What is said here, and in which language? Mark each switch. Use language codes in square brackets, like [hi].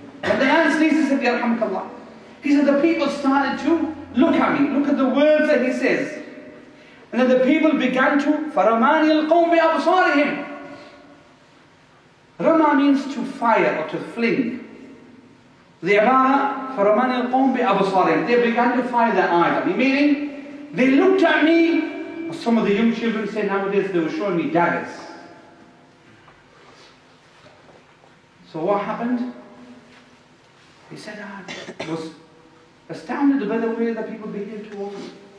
[en] When the man sneezed, he said, Yarhamukallah. He said, the people started to look at me. Look at the words that he says. And then the people began to, [ar] فَرَمَانِ الْقَوْمِ أَبْصَارِهِمْ. [en] Rama means to fire or to fling. [ar] The Abara, فَرَمَانِ الْقَوْمِ أَبْصَارِهِمْ. [en] They began to fire their eyes at me, meaning they looked at me. Some of the young children say nowadays they were showing me daggers. So what happened? He said, I was astounded by the way that people behaved towards me.